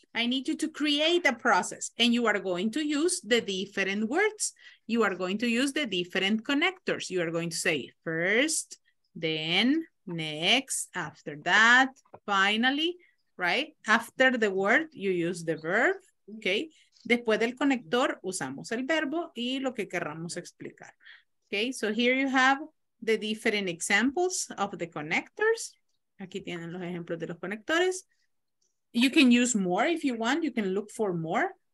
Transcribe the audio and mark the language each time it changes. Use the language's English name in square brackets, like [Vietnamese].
[English] I need you to create a process, and you are going to use the different words. You are going to use the different connectors. You are going to say first, then, next, after that, finally, right? After the word, you use the verb, okay? [Spanish] Después del conector, usamos el verbo y lo que querramos explicar. [English] Okay, so here you have the different examples of the connectors. [Spanish] Aquí tienen los ejemplos de los conectores. [English] You can use more if you want. You can look for more.